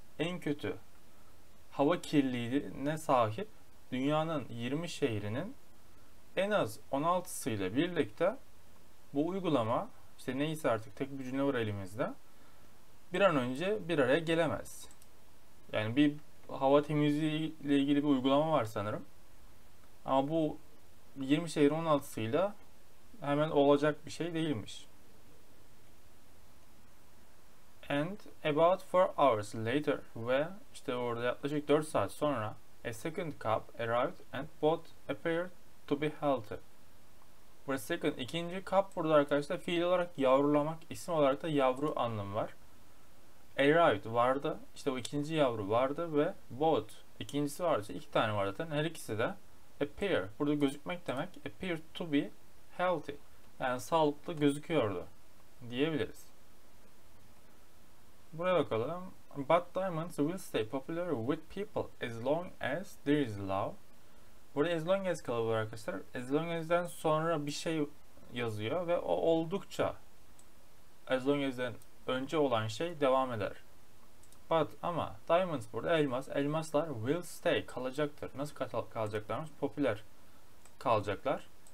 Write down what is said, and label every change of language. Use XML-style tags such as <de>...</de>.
<tr>En kötü hava kirliliğine sahip dünyanın 20 şehrinin en az 16'sı ile birlikte bu uygulama işte neyse artık tek bir cümle var elimizde bir an önce bir araya gelemez. Yani bir hava temizliği ile ilgili bir uygulama var sanırım. Ama bu 20 şehrin 16'sıyla hemen olacak bir şey değilmiş.</tr> <en>And about 4 hours later,</en> <tr>ve işte orada yaklaşık 4 saat sonra</tr> <en>a second cup arrived and both appeared to be healthy.</en> <tr>Burada second, ikinci cup burada arkadaşlar fiil olarak yavrulamak, isim olarak da yavru anlamı var. Arrived vardı, işte o ikinci yavru vardı ve both, ikincisi vardı, işte iki tane vardı zaten, her ikisi de appear, burada gözükmek demek,</tr> <en>appear to be healthy,</en> <tr>yani sağlıklı gözüküyordu diyebiliriz. Buraya bakalım.</tr> <en>But diamonds will stay popular with people as long as there is love.</en> <tr>Burada as long as kalıbı var arkadaşlar. As long as'den sonra bir şey yazıyor ve o oldukça as long as'den önce olan şey devam eder. But ama diamonds burada elmas. Elmaslar</tr> <en>will stay</en> <tr>kalacaktır. Nasıl kalacaklarmış? Popüler kalacaklar.</tr>